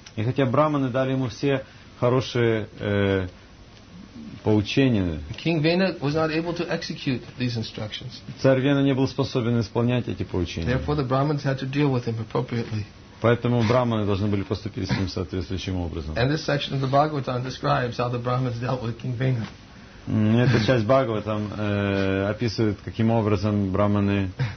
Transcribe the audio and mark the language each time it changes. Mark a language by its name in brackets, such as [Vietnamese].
[Russian] И хотя брахманы дали ему все хорошие [English] King Vena was not able to execute these instructions. [Russian] Царь Вена не был способен исполнять эти поучения. [English] Therefore, the Brahmins had to deal with him appropriately. [Russian] Поэтому брахманы должны были поступить с ним соответствующим образом. [English] And this section of the Bhagavatam describes how the Brahmins dealt with King Vena. [Russian] Эта часть Бхагаватам описывает, каким образом брахманы